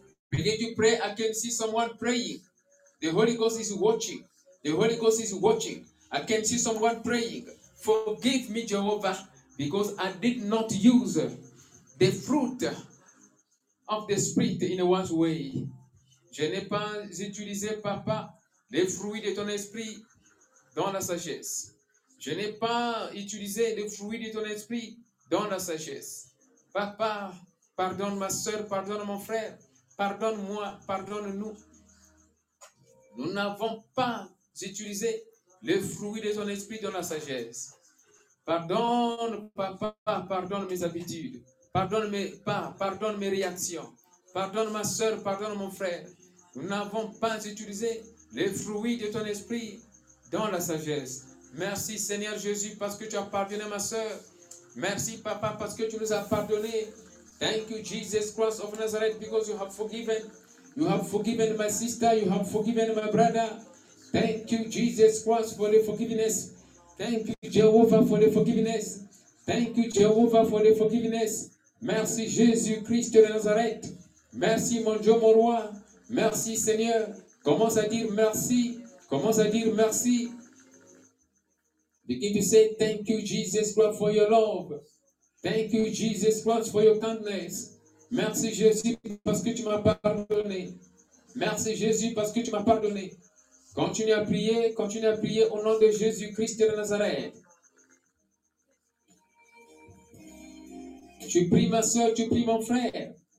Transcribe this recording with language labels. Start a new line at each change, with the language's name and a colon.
English: Begin to pray. I can see someone praying. The Holy Ghost is watching. The Holy Ghost is watching. I can see someone praying. Forgive me, Jehovah, because I did not use the fruit of the Spirit in a wise way.
French: Je n'ai pas utilisé, Papa, les fruits de ton esprit dans la sagesse. Je n'ai pas utilisé les fruits de ton esprit dans la sagesse. Papa, pardonne ma soeur, pardonne mon frère. Pardonne-moi, pardonne-nous. Nous n'avons pas utilisé le fruit de ton esprit dans la sagesse. Pardonne, Papa, pardonne mes habitudes. Pardonne mes pas, pardonne mes réactions. Pardonne ma soeur, pardonne mon frère. Nous n'avons pas utilisé le fruit de ton esprit dans la sagesse. Merci Seigneur Jésus parce que tu as pardonné ma soeur. Merci Papa parce que tu nous as pardonné.
English: Thank you, Jesus Christ of Nazareth, because you have forgiven. You have forgiven my sister. You have forgiven my brother. Thank you, Jesus Christ, for the forgiveness. Thank you, Jehovah, for the forgiveness. Thank you, Jehovah, for the forgiveness.
French: Merci, Jésus Christ de Nazareth. Merci, mon Dieu, mon roi. Merci, Seigneur. Commence à dire merci. Commence à dire merci.
English: Begin to say, thank you, Jesus Christ, for your love. Thank you, Jesus Christ, for your kindness.
French: Merci, Jésus, parce que tu m'as pardonné. Merci, Jésus, parce que tu m'as pardonné. Continue à prier, au nom de Jésus-Christ de Nazareth. Tu pries, ma soeur, tu pries, mon frère.